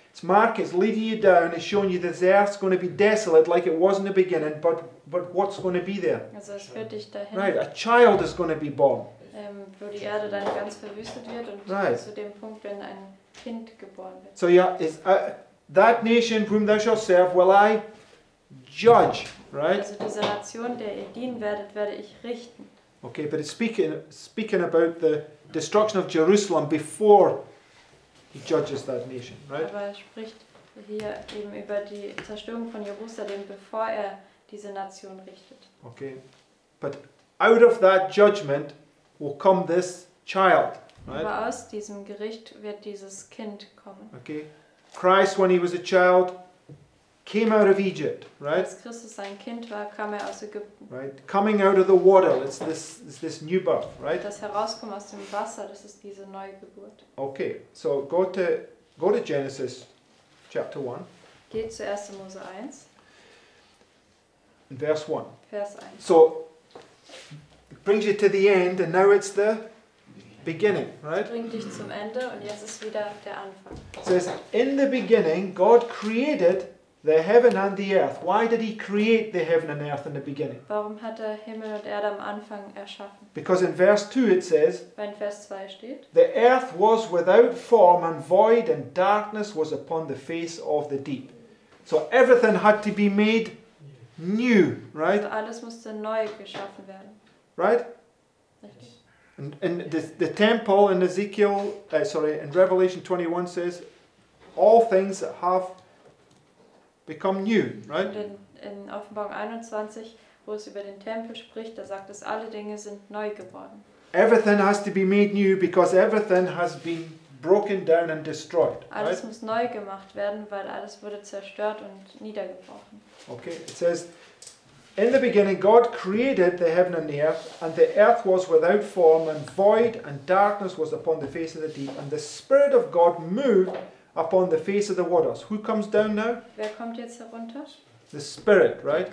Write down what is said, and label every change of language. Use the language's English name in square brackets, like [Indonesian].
[English] It's Mark, it's leading you down, it's showing you that the earth's going to be desolate like it was in the beginning, but what's going to be there? [German] Also es führt dich dahin. [English] Right, a child is going to be born. [German] Wo die Erde dann ganz verwüstet wird und [English] right. [German] zu dem Punkt, wenn ein Kind geboren wird. [English] So yeah, it's that nation whom thou shalt serve will I judge, right? [German] Also diese Nation, der ihr dienen werdet, werde ich richten. [English] Okay, but it's speaking about the destruction of Jerusalem before he judges that nation, right? [German] Aber er spricht hier eben über die Zerstörung von Jerusalem, bevor er diese Nation richtet. [English] Okay. But out of that judgment will come this child, right? [German] Aber aus diesem Gericht wird dieses Kind kommen. [English] Okay. Christ, when he was a child, came out of Egypt, right? [German] Als Christus ein Kind war, kam er aus Ägypten. [English] Right. Coming out of the water, it's this new birth, right? [German] Das Herauskommen aus dem Wasser, das ist diese Neugeburt. [English] Okay, so go to Genesis chapter 1. [German] Geht zu 1. Mose 1. [English] Verse 1. [German] Vers 1. [English] So, it brings you to the end and now it's the beginning, right? [German] Es bringt dich zum Ende und jetzt ist wieder der Anfang. [English] It says, in the beginning, God created the heaven and the earth. Why did he create the heaven and earth in the beginning? [German] Warum hat er Himmel und Erde am Anfang erschaffen? [English] Because in verse 2 it says, [German] wenn Vers 2 steht, [English] the earth was without form and void and darkness was upon the face of the deep. So everything had to be made new, right? [German] Also alles musste neu geschaffen werden. [English] Right? [German] Richtig. [English] And the temple in in Revelation 21 says, all things that have become new, right? [German] Und in Offenbarung 21, wo es über den Tempel spricht, da sagt es, alle Dinge sind neu geworden. [English] Everything has to be made new because everything has been broken down and destroyed. [German] Alles [English] right? [German] Muss neu gemacht werden, weil alles wurde zerstört und niedergebrochen. [English] Okay, it says, in the beginning God created the heaven and the earth was without form and void and darkness was upon the face of the deep and the Spirit of God moved upon the face of the waters. Who comes down now? [German] Wer kommt jetzt herunter? [English] The Spirit, right?